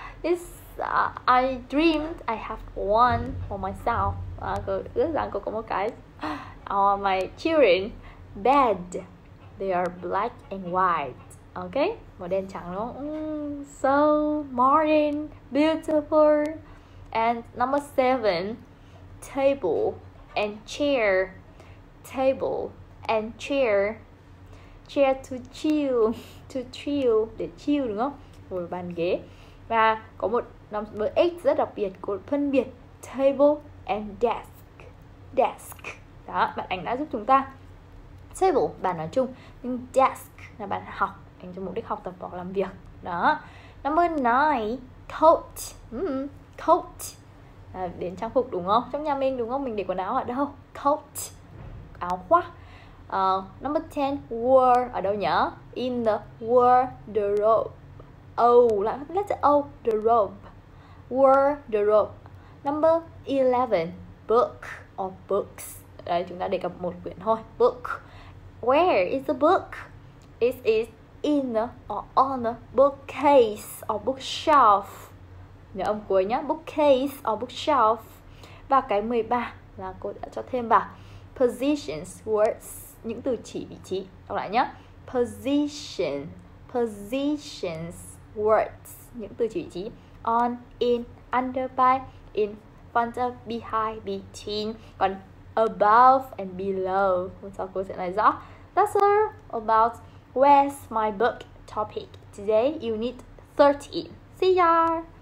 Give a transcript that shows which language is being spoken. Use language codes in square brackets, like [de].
[en] It's I dreamed I have one for myself. [vi] Cô ước rằng cô có một cái. [en] My children bed. They are black and white. [vi] Okay, màu đen trắng đúng không? [en] So modern, beautiful. And number 7, table and chair. Table and chair. Chair to chill. To chill, [vi] để chill đúng không? Ngồi bàn ghế. Và có một number 8 rất đặc biệt, cô phân biệt [en] table and desk. [vi] Desk. Đó, bạn ảnh đã giúp chúng ta. Table, bàn nói chung, nhưng desk là bàn học, dành cho mục đích học tập hoặc làm việc. Đó. [en] Number 9, coat. Coat. [vi] À, đến trang phục đúng không? Trong nhà mình đúng không? Mình để quần áo ở đâu? Coat. Áo khoác. Number 10, wardrobe. Ở đâu nhỉ? [en] In the wardrobe. Oh, lại letter O, the robe. Wore the robe. Number 11, book or books. [vi] Đây, chúng ta đề cập một quyển thôi. [en] Book. Where is the book? It is in the, or on the bookcase or bookshelf. [vi] Nhớ âm cuối nhá. [en] Bookcase or bookshelf. [vi] Và cái 13 là cô đã cho thêm vào. [en] Positions, words. [vi] Những từ chỉ vị trí. Đọc lại nhá. [en] Position. Positions. [vi] Words, những từ chỉ vị trí. [en] On, in, under, by, in front of, behind, between. [vi] Còn [en] above and below. [vi] Hôm sau cô sẽ nói rõ. [en] That's all about Where's My Book topic today, unit 13. See ya.